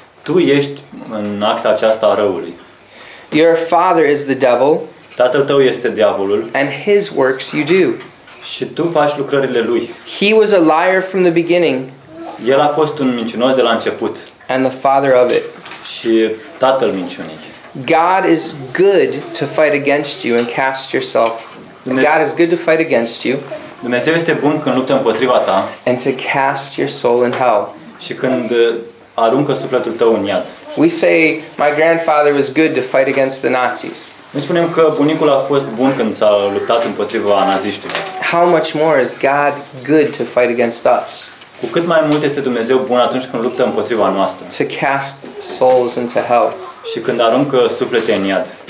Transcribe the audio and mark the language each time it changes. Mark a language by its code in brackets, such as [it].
[ro] Tu ești în axa aceasta a răului. [en] Your father is the devil. [ro] Tatăl tău este diavolul. [en] And his works you do. [ro] Și tu faci lucrările lui. [en] He was a liar from the beginning. [ro] El a fost un mincinos de la început. [en] And the father of it. [ro] Și tatăl minciunii. [en] God is good to fight against you and cast yourself. God is good to fight against you. [ro] Dumnezeu este bun când luptă împotriva ta. [en] And to cast your soul in hell. [ro] Și când aruncă sufletul tău în iad. [en] We say my grandfather was good to fight against the Nazis. [ro] Noi spunem că bunicul a fost bun când s-a luptat împotriva naziștilor. [en] How much more is God good to fight against us? [ro] Cu cât mai mult este Dumnezeu bun atunci când luptă împotriva noastră. [en] To cast souls into hell. [ro] Și când aruncă suflete în iad.